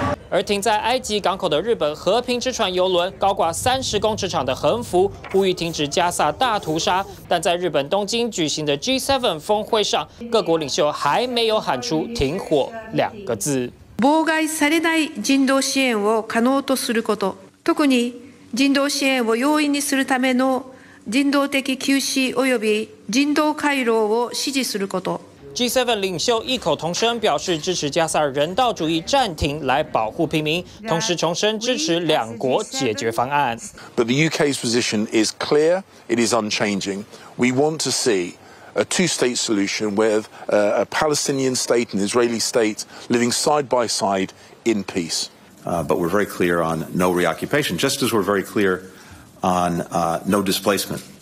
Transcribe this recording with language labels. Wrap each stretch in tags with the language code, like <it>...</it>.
<zh>而停在埃及港口的日本和平之船游轮，高挂30公尺长的横幅，呼吁停止加萨大屠杀。但在日本东京举行的 G7 峰会上，各国领袖还没有喊出停火2个字。</zh> <ja>妨害されない人道支援を可能とすること。特に人道支援を容易にするための人道的休止及び人道回廊を支持すること。</ja> <zh>G7 领袖异口同声表示支持加萨人道主义暂停来保护平民，同时重申支持两国解决方案。</zh> <en>But the UK's position is clear, it is unchanging. We want to see a two-state solution with a Palestinian state and Israeli state living side by side in peace. But we're very clear on no reoccupation, just as we're very clear on no displacement.</en>